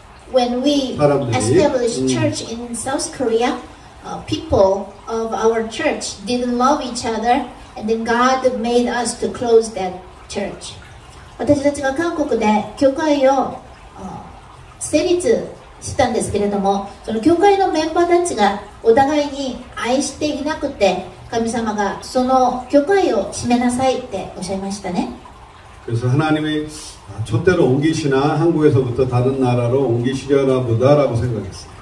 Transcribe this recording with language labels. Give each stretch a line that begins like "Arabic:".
English: When we established church in South Korea, people of our church didn't love each other, and then God made us to close that church.
Japanese: 私たちが韓国で教会を成立知ったんですけれども、その教会のメンバーたちがお互いに愛していなくて、神様がその教会を閉めなさいっておっしゃいましたね。
Korean: 그래서하나님이초대로옮기시나한국에서부터다른나라로옮기시려나보다라고생각했어요.